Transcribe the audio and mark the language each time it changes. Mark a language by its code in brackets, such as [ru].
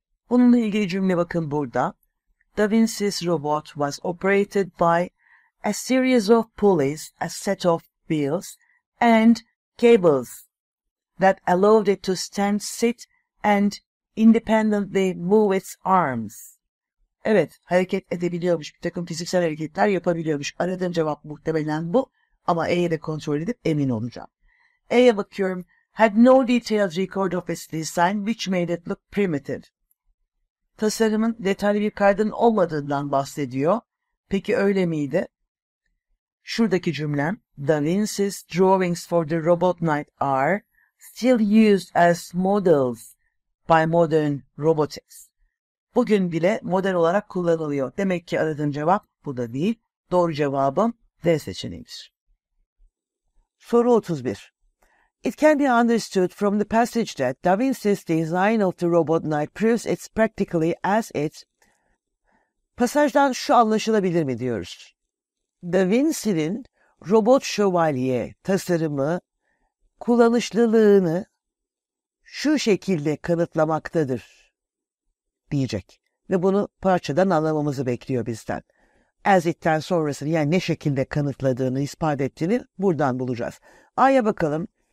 [tr] Bununla ilgili cümle bakın burada. [en] Da Vinci's robot was operated by a series of pulleys, a set of wheels and cables that allowed it to stand, sit and independently move its arms. [tr] Evet, hareket edebiliyormuş, bir takım fiziksel hareketler yapabiliyormuş. Aradığım cevap muhtemelen bu ama E'yi de kontrol edip emin olacağım. E'ye bakıyorum. [en] Had no detailed record of its design which made it look primitive. [tr] Tasarımın detaylı bir kaydının olmadığından bahsediyor. Peki öyle miydi? Şuradaki cümlem. [en] Da Vinci's drawings for the robot knight are still used as models by modern robotics. [tr] Bugün bile model olarak kullanılıyor. Demek ki aradığın cevap bu da değil. Doğru cevabım D seçeneğidir. Soru 31. [en] It can be understood from the passage that Da Vinci's design of the robot knight proves it's practically as it. [tr] Pasajdan şu anlaşılabilir mi diyoruz? Da Vinci'nin robot şövalye tasarımı kullanışlılığını şu şekilde kanıtlamaktadır diyecek. Ve bunu parçadan anlamamızı bekliyor bizden. As it'ten sonrasını, yani ne şekilde kanıtladığını, ispat ettiğini buradan bulacağız. A'ya bakalım.